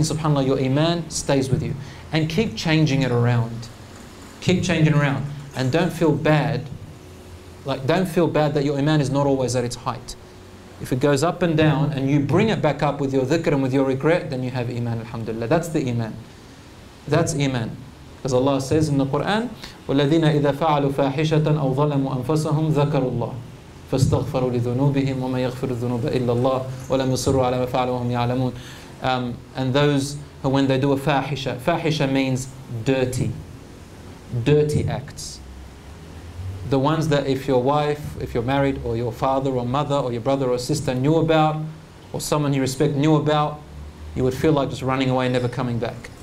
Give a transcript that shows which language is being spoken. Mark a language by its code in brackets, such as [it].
[en] SubhanAllah, your iman stays with you. And keep changing it around. Keep changing around. And don't feel bad. Like, don't feel bad that your iman is not always at its height. If it goes up and down and you bring it back up with your dhikr and with your regret, then you have iman, alhamdulillah. That's the iman. That's iman. [ar] As Allah says in the Quran, وَالَّذِينَ إِذَا فَعَلُوا فَاحِشَةً أَوْ ظَلَمُوا أَنفَسَهُمْ ذَكَرُوا اللَّهِ فَاسْتَغْفَرُوا لِذُنُوبِهِمْ وَمَنْ يَغْفِرُ الذُّنُوبَ إِلَّا اللَّهِ وَلَمْ يُصِرُوا عَلَى مَا فَعَلُوا وَهُمْ يَعْلَمُونَ. [en] And those who, when they do a fahisha, fahisha means dirty. Dirty acts. The ones that if your wife, if you're married, or your father or mother or your brother or sister knew about, or someone you respect knew about, you would feel like just running away and never coming back.